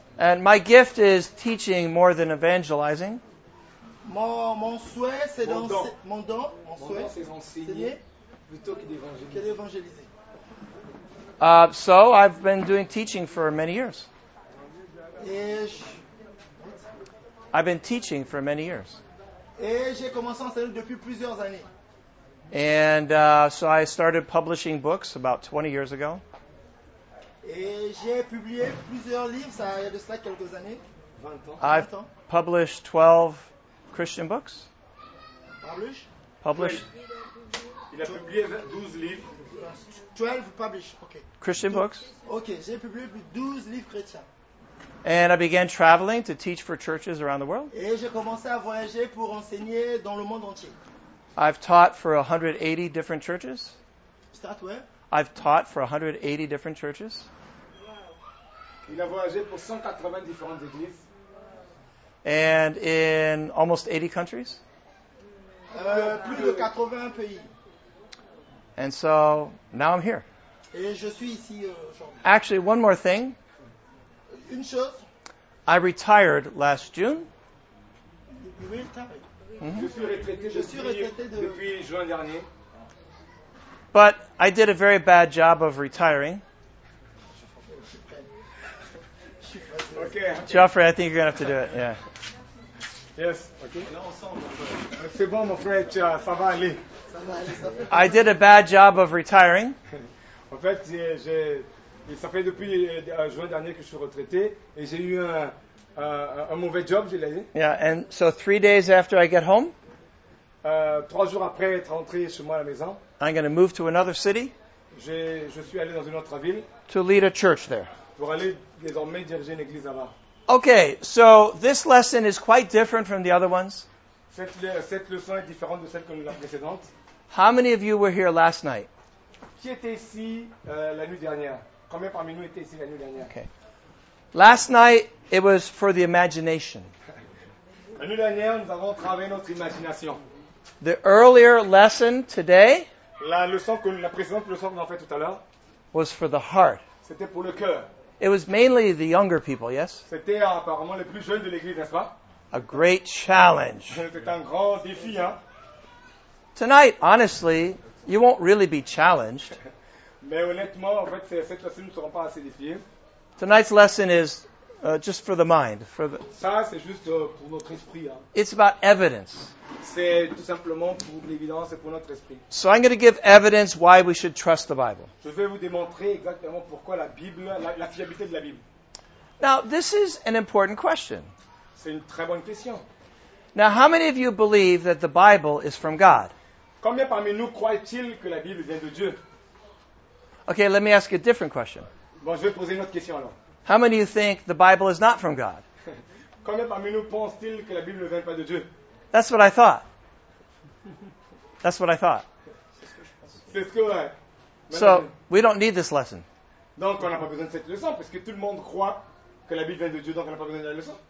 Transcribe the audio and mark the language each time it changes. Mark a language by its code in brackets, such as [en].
[en] And my gift is teaching more than evangelizing. [fr] Mon souhait, c'est d'enseigner plutôt que d'évangéliser. [en] So I've been doing teaching for many years. I've been teaching for many years. [fr] Et j'ai commencé à enseigner depuis plusieurs années. [en] And so I started publishing books about 20 years ago. [fr] Et j'ai publié plusieurs livres, ça il y a de cela quelques années. 20 ans. [en] I've published 12 Christian books. [fr] Il a publié 12 livres. [en] 12 published, okay. Christian books. [fr] Okay, j'ai publié plus de 12 livres chrétiens. [en] And I began traveling to teach for churches around the world. [fr] Et j'ai commencé à voyager pour enseigner dans le monde entier. [en] I've taught for 180 different churches. Start where? I've taught for 180 different churches. [fr] Wow. Il a voyagé pour 180 différentes églises. [en] And in almost 80 countries. [fr] Plus de 80 pays. [en] And so now I'm here. [fr] Et je suis ici, [en] actually, one more thing. [fr] Une chose. [en] I retired last June. You retired. [fr] Mm-hmm. Je suis retraité depuis juin dernier. [en] But I did a very bad job of retiring. Okay. Geoffrey, I think you're gonna have to do it. Yeah. Yes. Okay. [fr] C'est bon, mon frère. Ça va aller. [en] I did a bad job of retiring. [fr] En fait, ça fait depuis juin dernier que je suis retraité et j'ai eu un mauvais job, je l'ai dit. [en] Yeah, and so 3 days after I get home, [fr] 3 jours après être rentré chez moi à la maison, [en] I'm going to move to another city. [fr] Je suis allé dans une autre ville. [en] To lead a church there. [fr] Pour aller désormais diriger une église là-bas. [en] Okay, so this lesson is quite different from the other ones. [fr] Cette leçon est différente de celle que la précédente. [en] How many of you were here last night? [fr] Qui était ici la nuit dernière? Combien parmi nous étaient ici la nuit dernière? [en] Okay. Last night, it was for the imagination. [fr] La nuit dernière, nous avons travaillé notre imagination. [en] The earlier lesson today. [fr] La précédente leçon qu'on a fait tout à l'heure. [en] Was for the heart. [fr] C'était pour le cœur. [en] It was mainly the younger people, yes? [fr] C'était apparemment les plus jeunes de l'église, n'est-ce pas? [en] A great challenge. [fr] C'était un grand défi, hein? [en] Tonight, honestly, you won't really be challenged. [fr] Mais honnêtement, en fait, cette lesson ne sera pas assez difficile. [en] Tonight's lesson is just for the mind. For the... [fr] Ça, c'est juste pour notre esprit. Hein. [en] It's about evidence. [fr] C'est tout simplement pour l'évidence et pour notre esprit. [en] So I'm going to give evidence why we should trust the Bible. [fr] Je vais vous démontrer exactement pourquoi la Bible, la fiabilité de la Bible. [en] Now, this is an important question. [fr] C'est une très bonne question. [en] Now, how many of you believe that the Bible is from God? [fr] Combien parmi nous croient-ils que la Bible vient de Dieu? [en] Okay, let me ask you a different question. [fr] Bon, je vais poser une autre question alors. [en] How many of you think the Bible is not from God? [fr] Combien parmi nous pensent-ils que la Bible ne vient pas de Dieu? [en] That's what I thought. That's what I thought. [fr] C'est ce que je pense. [en] So, we don't need this lesson. [fr] Donc, on n'a pas besoin de cette leçon, parce que tout le monde croit que la Bible vient de Dieu, donc on n'a pas besoin de la leçon.